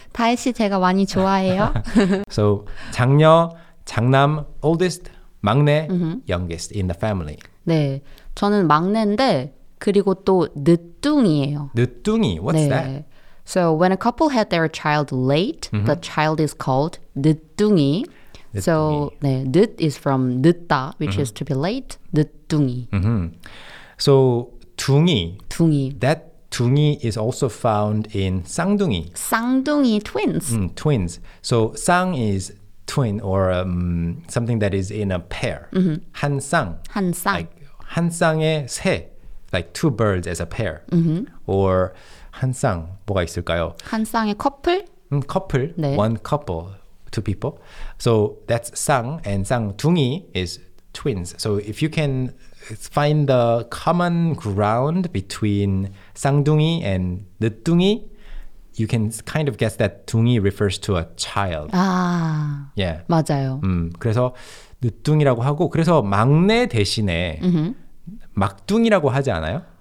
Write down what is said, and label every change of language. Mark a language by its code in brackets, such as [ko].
[ko] 다혜 씨 제가 많이 좋아해요. [en] So 장녀, 장남, oldest, 막내, mm-hmm. youngest in the family. [ko] 네, 저는 막내인데 그리고 또 늦둥이에요. 늦둥이? [en] What's [ko] 네. [en] that? So when a couple had their child late, mm-hmm. the child is called 늦둥이. So, 네, 늦 is from 늦다, which mm-hmm. is to be late, 늦둥이. Mm-hmm. So, 둥이. [ko] 둥이. [en] That 둥이 is also found in 쌍둥이. [ko] 쌍둥이, twins. [en] Mm, twins. So, 쌍 is twin or something that is in a pair. Mm-hmm. [ko] 한 쌍. 한 쌍. [en] Like, [ko] 한 쌍의 새. [en] Like two birds as a pair. Mm-hmm. [ko] Or 한 쌍, 뭐가 있을까요? 한 쌍의 커플. 커플. 네. [en] One couple. Two people. So that's 쌍 and 쌍둥이 is twins. So if you can find the common ground between 쌍둥이 and 늦둥이, you can kind of guess that 둥이 refers to a child. [ko] 아, [en] yeah. [ko] 맞아요. 그래서 늦둥이라고 하고 그래서 막내 대신에 mm-hmm. 막둥이라고 하지 않아요?